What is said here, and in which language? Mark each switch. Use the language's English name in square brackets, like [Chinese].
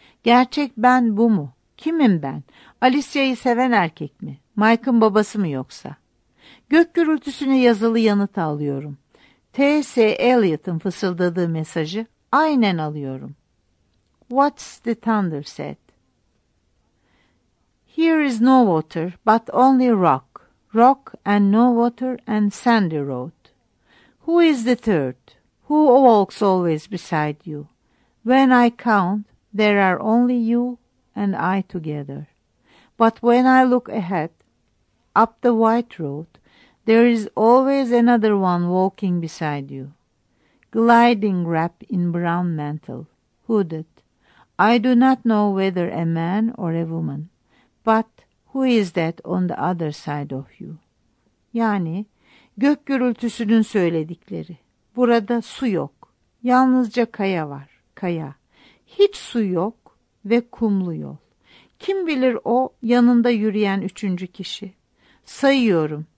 [Turkish] Gerçek ben bu mu? Kimim ben? Alicia'yı seven erkek mi? Mike'ın babası mı yoksa? Gök gürültüsüne yazılı yanıt alıyorum. T.S. Eliot'ın fısıldadığı mesajı aynen alıyorum. [English] What's the thunder said? Here is no water, but only rock. Rock and no water and sandy road. Who is the third? Who walks always beside you? When I count, there are only you and I together. But when I look ahead, up the white road, there is always another one walking beside you. Gliding wrapped in brown mantle, hooded. I do not know whether a man or a woman. But who is that on the other side of you? [Turkish] Yani gök gürültüsünün söyledikleri. Burada su yok. Yalnızca kaya var. Kaya. Hiç su yok ve kumlu yol. Kim bilir o yanında yürüyen üçüncü kişi. Sayıyorum.